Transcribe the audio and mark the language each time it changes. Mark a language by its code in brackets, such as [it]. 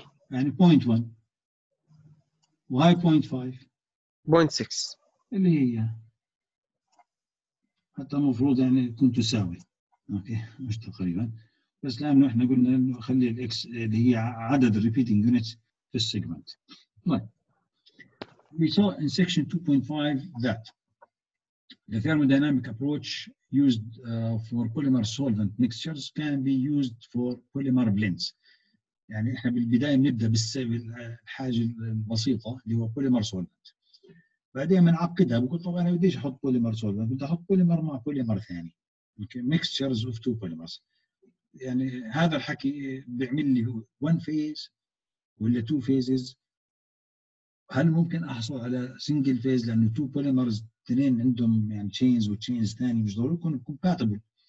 [ar] يعني 0.1 وهاي 0.5 0.6 اللي هي حتى مفروض يعني تكون تساوي اوكي مش تقريبا بس لأنه احنا قلنا انه خلي الـ X اللي هي عدد الـ repeating units في الـ segment. [en] We saw in section 2.5 that the thermodynamic approach used for polymer solvent mixtures can be used for polymer blends. [ar] يعني احنا بالبدايه بنبدا بالحاجه البسيطه اللي هو بوليمر سولفنت بعدين بنعقدها بقول طبعا انا بديش احط بوليمر سولفنت بدي احط بوليمر مع بوليمر ثاني اوكي [en] Mixtures of two polymers. [ar] يعني هذا الحكي بيعمل لي [en] one phase [ar] ولا [en] Two phases? [ar] هل ممكن احصل على [en] single phase [ar] لانه تو بوليمرز اثنين عندهم يعني تشينز وتشينز ثاني مش ضروري يكون كومباتبل.